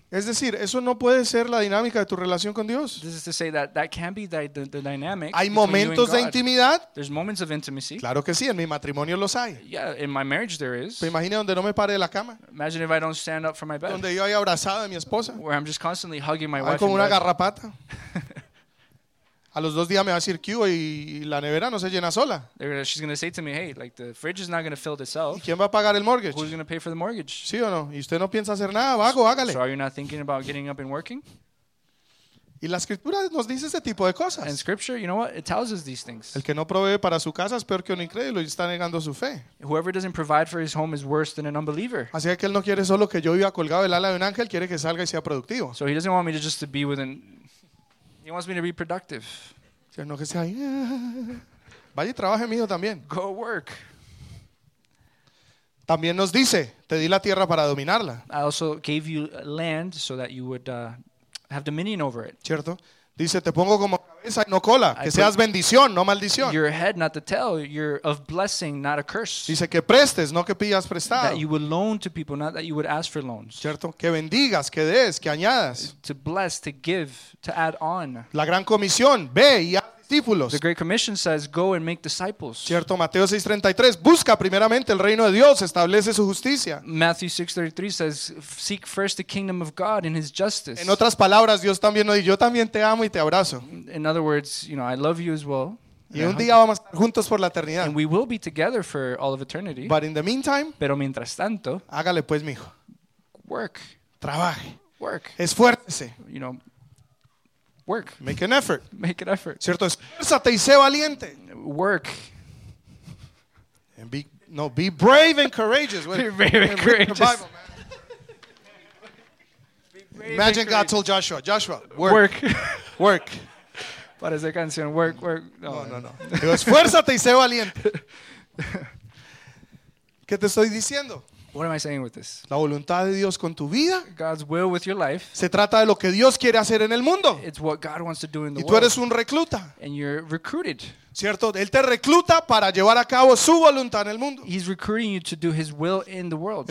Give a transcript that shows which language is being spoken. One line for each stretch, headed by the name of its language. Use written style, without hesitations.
Spanish: Es decir, eso no puede ser la dinámica de tu relación con Dios.
English: This is to say that can't be the dynamic.
Spanish: Hay momentos de intimidad.
English: There's moments of intimacy.
Spanish: Claro que sí, en mi matrimonio los hay.
English: Yeah, in my marriage there is.
Spanish: Pero imagina donde no me pare de la cama.
English: Imagine if I don't stand up from my bed.
Spanish: Donde yo haya abrazado a mi esposa.
English: Where I'm just constantly hugging my wife.
Spanish: Hay como una garrapata. A los dos días me va a decir Q y la nevera no se llena sola.
English: She's going to say to me, hey, like the fridge is not going to fill itself.
Spanish: ¿Y quién va a pagar el mortgage?
English: Who's going to pay for the mortgage?
Spanish: ¿Sí o no? ¿Y usted no piensa hacer nada? Vago, hágale.
English: So are you not thinking about getting up and working?
Spanish: Y la escritura nos dice ese tipo de cosas.
English: And scripture, you know what? It tells us these things.
Spanish: El que no provee para su casa es peor que un incrédulo y está negando su fe.
English: Whoever doesn't provide for his home is worse than an unbeliever.
Spanish: Así que él no quiere solo que yo viva colgado del ala de un ángel, quiere que salga y sea productivo.
English: So he doesn't want me to just to be with an... He wants me to be productive.
Spanish: No que sea ahí. Vaya y trabaje mío también.
English: Go work.
Spanish: También nos dice, te di la tierra para dominarla.
English: I also gave you land so that you would have dominion over it.
Spanish: Cierto. Dice, te pongo como cabeza y no cola, que seas bendición, no maldición.
English: Your head, not the tail. You're of blessing, not a curse.
Spanish: Dice que prestes, no que pidas prestado.
English: That you would loan to people, not that you would ask for loans.
Spanish: Cierto, que bendigas, que des, que añadas.
English: To bless, to give, to add on.
Spanish: La gran comisión, ve y haz discípulos.
English: The great commission says, go and make disciples.
Spanish: Cierto, Mateo 6:33, busca primeramente el reino de Dios, establece su justicia.
English: Matthew 6:33 says, seek first the kingdom of God and his justice.
Spanish: En otras palabras, Dios también nos dice, yo también te amo y te abrazo.
English: In other words, you know, I love you as well.
Spanish: Y un día vamos a estar juntos por la eternidad.
English: And we will be together for all of eternity. But in the meantime,
Spanish: pero mientras tanto, hágale pues, mijo.
English: Work.
Spanish: Trabaje.
English: Work.
Spanish: Esfuércese.
English: You know, work. Make an effort. Make an effort.
Spanish: Cierto, esfuérzate y sé valiente.
English: Work. And be brave and courageous. Be brave and courageous. Imagine God told Joshua, Joshua, work. Work. Work.
Spanish: Para esa canción,
English: work, work.
Spanish: No. Digo, esfuérzate y sé valiente. ¿Qué te estoy diciendo?
English: What am I saying with this?
Spanish: La voluntad de Dios con tu vida.
English: God's will with your life.
Spanish: Se trata de lo que Dios quiere hacer en el mundo.
English: It's what God wants to do in the world.
Spanish: Y tú eres un recluta.
English: And you're recruited.
Spanish: Cierto, él te recluta para llevar a cabo su voluntad en el mundo.
English: He's recruiting you to do his will in the world.